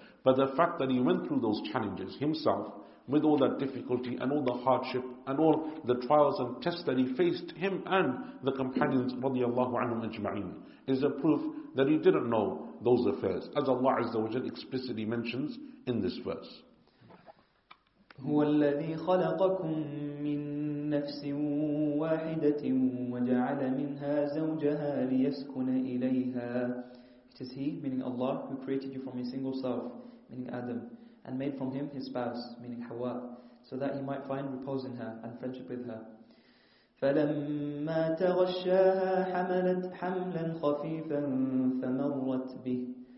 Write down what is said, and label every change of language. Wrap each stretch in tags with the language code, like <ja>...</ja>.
<en>But the fact that he went through those challenges himself, with all that difficulty and all the hardship and all the trials and tests that he faced, him and the companions radiallahu anhum ajma'een, is a proof that he didn't know those affairs, as Allah Azza wa Jal explicitly mentions in this verse.</en> <ar>هو الذي خلقكم من نفس واحدة وجعل منها زوجها ليسكن إليها.</ar> <en>It is He, meaning Allah, who created you from a single self, meaning Adam, and made from him his spouse, meaning Hawa, so that he might find repose in her and friendship with her.</en> <ar>فَلَمَّا تَغَشَّاهَا حَمَلَتْ حَمْلًا خَفِيفًا فَمَرَّتْ بِهِ.</ar>